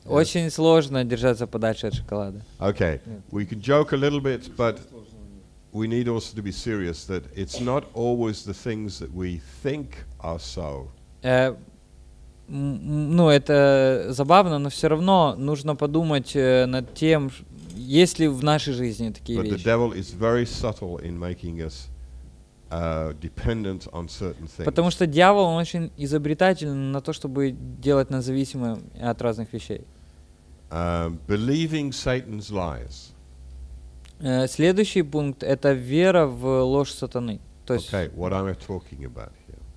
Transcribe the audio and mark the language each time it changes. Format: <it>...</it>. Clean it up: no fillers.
<ru>Очень сложно держаться подальше от шоколада.</ru> <en>Okay, we can joke a little bit, but we need also to be serious that it's not always the things that we think are so.</en> <ru>Это забавно, но все равно нужно подумать над тем, есть ли в нашей жизни такие вещи.</ru> <en>But the devil is very subtle in making us dependent on certain things.</en> <ru>Потому что дьявол он очень изобретателен на то, чтобы делать нас зависимыми от разных вещей.</ru> <en>Believing Satan's lies.</en> <ru>Следующий пункт это вера в ложь сатаны. То есть</ru> <en>okay, what am I talking about here?</en>